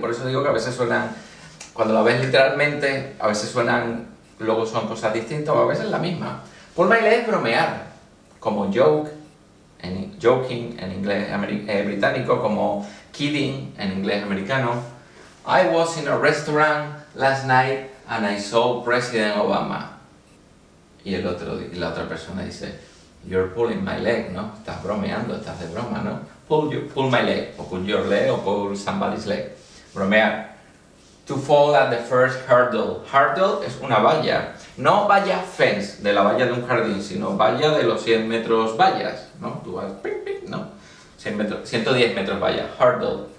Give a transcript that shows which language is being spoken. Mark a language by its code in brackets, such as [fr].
[es] Por eso digo que a veces suenan, cuando la ves literalmente, a veces suenan, luego son cosas distintas o a veces la misma. Pull my leg es bromear, como joke, joking en inglés británico, como kidding en inglés americano. [en] I was in a restaurant last night and I saw President Obama. [es] Y el otro, y la otra persona dice, [en] you're pulling my leg, [es] ¿no? Estás bromeando, estás de broma, ¿no? [en] Pull my leg, o pull your leg, o pull somebody's leg. Bromear. To fall at the first hurdle. [es] Hurdle es una valla. No valla fence, de la valla de un jardín, sino valla de los 100 metros vallas, ¿no? Tú vas, ping, ping, ¿no? 100 metros, 110 metros valla. Hurdle.